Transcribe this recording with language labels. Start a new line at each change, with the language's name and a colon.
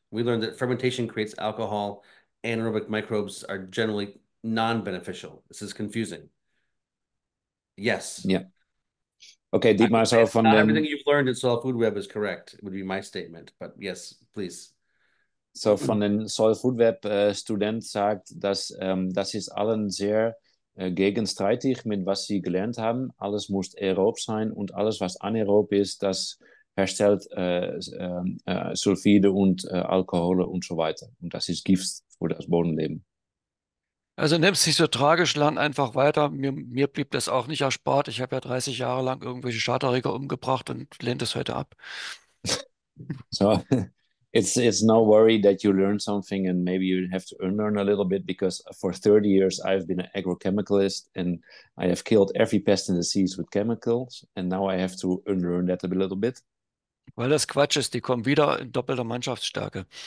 English: We learned that fermentation creates alcohol. Anaerobic microbes are generally non-beneficial. This is confusing. Yes. Yeah. Okay, Dietmar, so from not everything you've learned in soil food web is correct, would be my statement, but yes, please.
German: So von den soil food web Student sagt, dass das ist allen sehr gegenstreitig mit was sie gelernt haben. Alles muss aerob sein und alles, was anaerob ist, das herstellt Sulfide und Alkohole und so weiter. Und das ist Gift für das Bodenleben. Also nimm es nicht so tragisch, lern einfach weiter. Mir blieb das auch nicht erspart. Ich habe ja 30 Jahre lang irgendwelche Charterreger umgebracht und lehne das heute ab.
English: So, it's no worry that you learn something and maybe you have to unlearn a little bit because for 30 years I've been an agrochemicalist and I have killed every pest and disease with chemicals and now I have to unlearn that a little bit.
German: Weil das Quatsch ist, die kommen wieder in doppelter Mannschaftsstärke.